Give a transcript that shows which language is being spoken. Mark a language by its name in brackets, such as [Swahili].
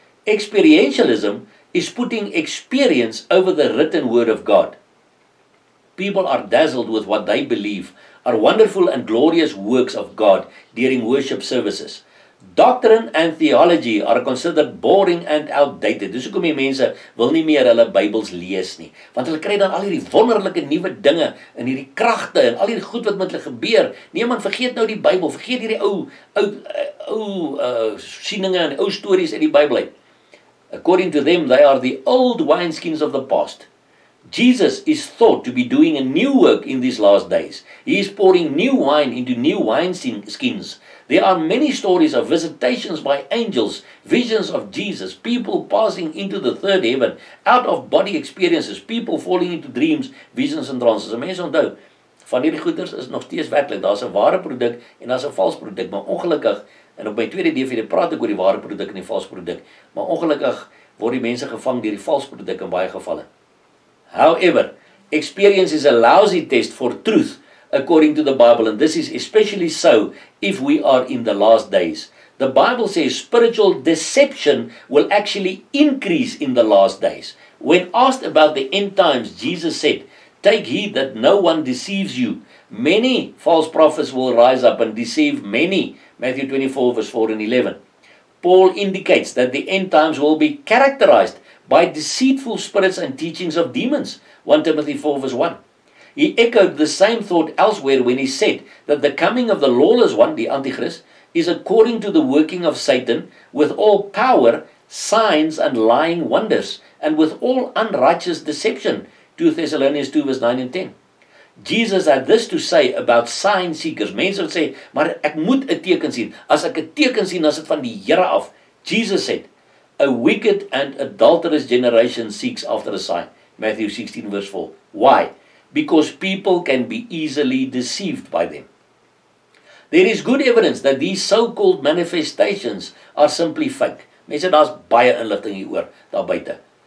[English] Experientialism is putting experience over the written word of God. People are dazzled with what they believe are wonderful and glorious works of God during worship services. Doctrine and theology are considered boring and outdated. [Afrikaans] Dis hoekom die mense wil nie meer hulle Bybels lees nie. Want hulle kry dan al hierdie wonderlike nuwe dinge en hierdie kragte en al hierdie goed wat met hulle gebeur. Nee man, vergeet nou die Bybel, vergeet hierdie ou sieninge en ou stories uit die Bybel uit. [English] According to them, they are the old wineskins of the past. Jesus is thought to be doing a new work in these last days. He is pouring new wine into new wineskins. There are many stories of visitations by angels, visions of Jesus, people passing into the third heaven, out-of-body experiences, people falling into dreams, visions and trances. [Afrikaans] En mense onthou, van hierdie goeders is nog steeds werklik. Daar is 'n ware produk en daar is 'n vals produk. Maar ongelukkig, en op my tweede DVD praat ek oor die ware produk en die vals produk, maar ongelukkig word die mense gevang deur die vals produk in baie gevalle. [English] However, experience is a lousy test for truth according to the Bible, and this is especially so if we are in the last days. The Bible says spiritual deception will actually increase in the last days. When asked about the end times, Jesus said, "Take heed that no one deceives you. Many false prophets will rise up and deceive many." Matthew 24 verse 4 and 11. Paul indicates that the end times will be characterized by deceitful spirits and teachings of demons, 1 Timothy 4 verse 1. He echoed the same thought elsewhere when he said that the coming of the lawless one, the Antichrist, is according to the working of Satan with all power, signs and lying wonders, and with all unrighteous deception, 2 Thessalonians 2 verse 9 and 10. Jesus had this to say about sign seekers. [Afrikaans] Mense [English] would say, [Afrikaans] maar ek moet 'n teken sien. As ek 'n teken sien, as dit van die Here af. [English] Jesus said, "A wicked and adulterous generation seeks after a sign." Matthew 16 verse 4. Why? Because people can be easily deceived by them. There is good evidence that these so-called manifestations are simply fake. [Afrikaans] Mense, daar's baie inligting hieroor daar buite.